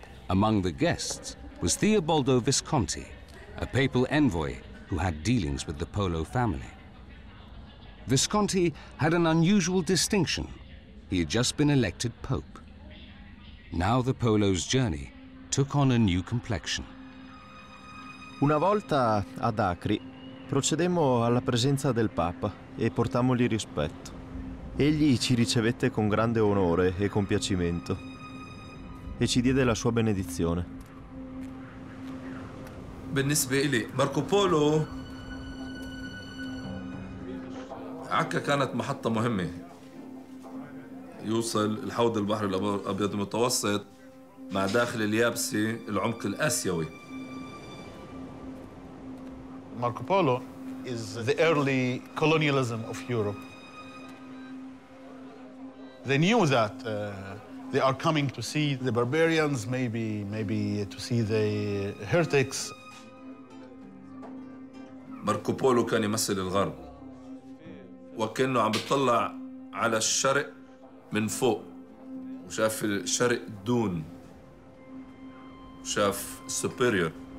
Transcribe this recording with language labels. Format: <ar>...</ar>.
<en>Among the guests was Theobaldo Visconti, a papal envoy who had dealings with the Polo family. Visconti had an unusual distinction. He had just been elected Pope. Now the Polo's journey took on a new complexion.</en> <it>Una volta ad Acre procedemmo alla presenza del Papa e portammogli rispetto. Egli ci ricevette con grande onore e compiacimento e ci diede la sua benedizione.</it> <ar>بالنسبه لي ماركو بولو عكا كانت محطه مهمه يوصل الحوض البحر الابيض المتوسط مع داخل اليابسه العمق الاسيوي.</ar> <en>Marco Polo is the early colonialism of Europe. They knew that they are coming to see the barbarians, maybe to see the heretics.</en> <ar>Marco Polo كان يمثل الغرب وكأنه عم بتطلع على الشرق من فوق وشاف الشرق دون وشاف superior.</ar>